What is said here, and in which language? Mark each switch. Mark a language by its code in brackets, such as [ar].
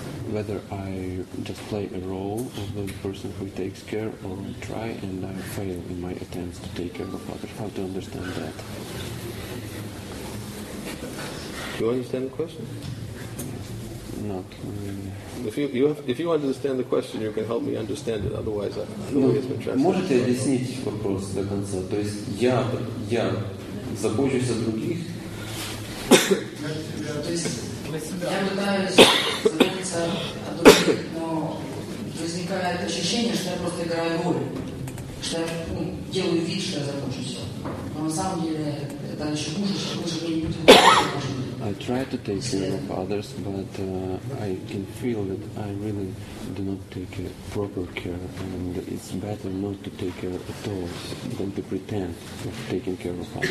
[en] Whether I just play a role of the person who takes care, or I try and I fail in my attempts to take care of others. How to understand that? Do you understand the question? Not really. If you understand the question, you can help me understand it. Otherwise, I don't know. [ru] Можете объяснить вопрос до конца? То есть я забочусь о других. Я пытаюсь заботиться о других, но возникает ощущение, что я просто играю роль, что я делаю вид, что я забочусь. Но на самом деле это еще хуже, что мы же где-нибудь забочимся. [en] I try to take care of others, but I can feel that I really do not take proper care, and it's better not to take care at all than to pretend of taking care of others.